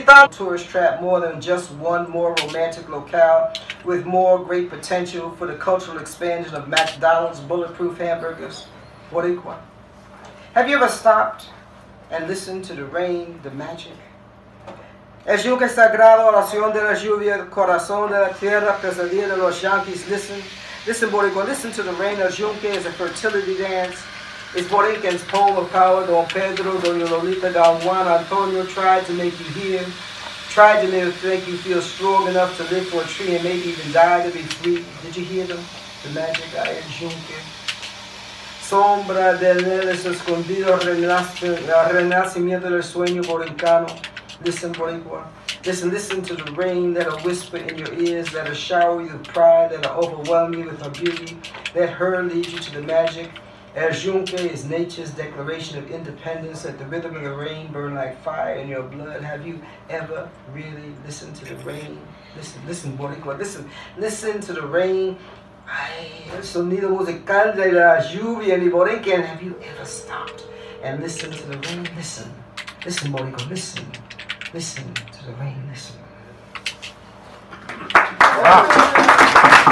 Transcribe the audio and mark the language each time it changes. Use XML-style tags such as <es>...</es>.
<en>Tourist trap more than just one more romantic locale with more great potential for the cultural expansion of McDonald's bulletproof hamburgers. Boricua. Have you ever stopped and listened to the rain, the magic?</en> <es>El Junque sagrado, oración de la lluvia, corazón de la tierra, pesadilla de los Yankees.</es> <en>Listen, listen, Boricua, listen to the rain. El Junque is a fertility dance. It's Borinquen's poem of power, Don Pedro, Doña Lolita, Don Juan, Antonio tried to make you hear, tried to make you feel strong enough to live for a tree and maybe even die to be free. Did you hear them? The magic I El Junque.</en> <es>Sombra del Neles escondido, renacimiento del sueño borincano.</es> <en>Listen, Boricua. Listen, listen to the rain that'll whisper in your ears, that'll shower you with pride, that'll overwhelm you with her beauty. Let her lead you to the magic. El Junque is nature's declaration of independence. Let the rhythm of the rain burn like fire in your blood. Have you ever really listened to the rain? Listen, listen, Boricua, listen, listen to the rain.</en> <es>Ay, el sonido musical de la lluvia, mi Boricua.</es> <en>Have you ever stopped and listened to the rain? Listen, listen, Boricua, listen, listen to the rain, listen. Wow.</en>